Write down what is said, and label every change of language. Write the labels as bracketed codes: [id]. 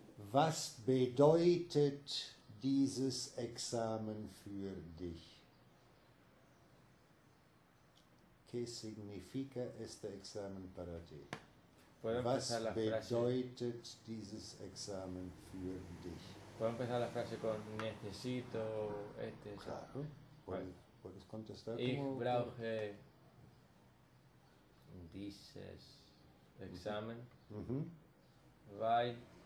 [de] Was bedeutet dieses Examen für dich? [es] ¿Qué significa este examen para ti? ¿Puedo empezar la [de] bedeutet dieses examen für dich? [es] ¿Puedo empezar la frase con necesito este examen? Claro, puedes contestar [de] ich [es] como... [de] Ich brauche dieses examen, weil...